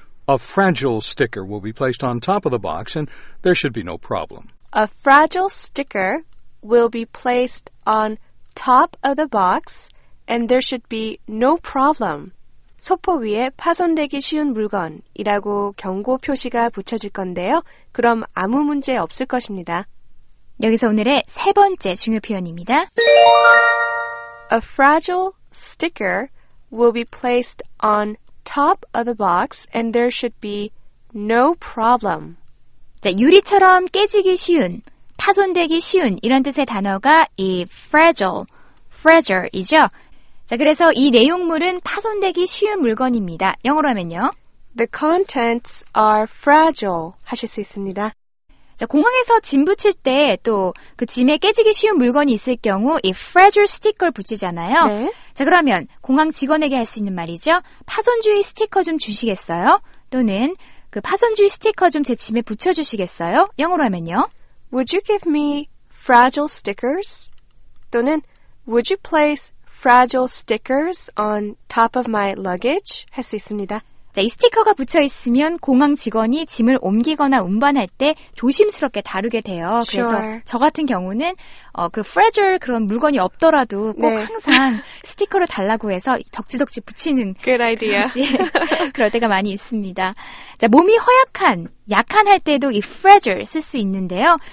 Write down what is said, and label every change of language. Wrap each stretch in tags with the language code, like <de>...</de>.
<en>A fragile sticker will be placed on top of the box and there should be no problem. A fragile sticker will be placed on top of the box and there should be no problem.</en> <ko>소포 위에 파손되기 쉬운 물건이라고 경고 표시가 붙여질 건데요. 그럼 아무 문제 없을 것입니다. 여기서 오늘의 세 번째 중요 표현입니다.</ko> <en>A fragile sticker will be placed on top of the box and there should be no problem.</en> <ko>자, 유리처럼 깨지기 쉬운, 파손되기 쉬운 이런 뜻의 단어가 이 fragile이죠. 자, 그래서 이 내용물은 파손되기 쉬운 물건입니다. 영어로 하면요.</ko> <en>The contents are fragile</en> <ko>하실 수 있습니다. 자, 공항에서 짐 붙일 때 또 그 짐에 깨지기 쉬운 물건이 있을 경우 이 fragile 스티커를 붙이잖아요. 네. 자, 그러면 공항 직원에게 할 수 있는 말이죠. 파손주의 스티커 좀 주시겠어요? 또는 그 파손주의 스티커 좀 제 짐에 붙여주시겠어요? 영어로 하면요.</ko> <en>Would you give me fragile stickers? 또는 Would you place fragile stickers on top of my luggage?</en> <ko>할 수 있습니다. 자, 이 스티커가 붙여있으면 공항 직원이 짐을 옮기거나 운반할 때 조심스럽게 다루게 돼요.</ko> <en>Sure.</en> <ko>그래서 저 같은 경우는 그 fragile 그런 물건이 없더라도 꼭 네. 항상 스티커를 달라고 해서 덕지덕지 붙이는</ko> <en>Good idea.</en> <ko>그런, 예, 그럴 때가 많이 있습니다. 자, 몸이 허약한, 약한 할 때도 이 fragile 쓸 수 있는데요.</ko>